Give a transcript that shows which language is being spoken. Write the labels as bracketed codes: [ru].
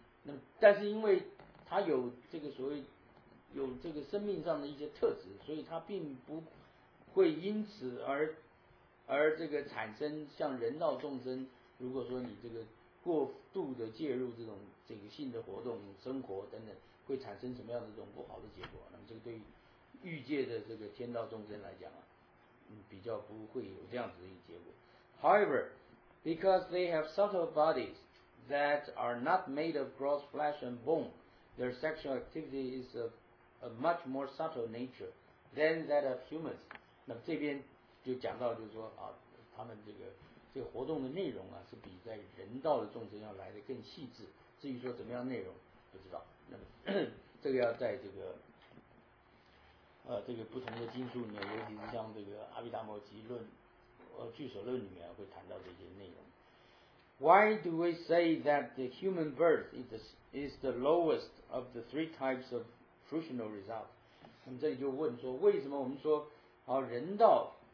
[zh] 那么但是因为他有这个所谓有这个生命上的一些特质，所以他并不会因此而这个产生像人道众生，如果说你这个过度的介入这种这个性的活动、生活等等，会产生什么样的这种不好的结果？那么这个对于欲界的这个天道众生来讲啊，比较不会有这样子的一个结果。 [en] However, because they have subtle bodies that are not made of gross flesh and bone, their sexual activity is of a much more subtle nature than that of humans. [zh] 那么这边。就讲到就是说啊，他们这个活动的内容啊，是比在人道的众生要来的更细致。至于说怎么样内容，不知道。那么这个要在这个这个不同的经书里面，尤其是像这个《阿毗达摩集论》《俱舍论》里面会谈到这些内容。 [en] Why do we say that the human birth is the lowest of the three types of fruitional results？ [zh] 那么这里就问说，为什么我们说啊人道？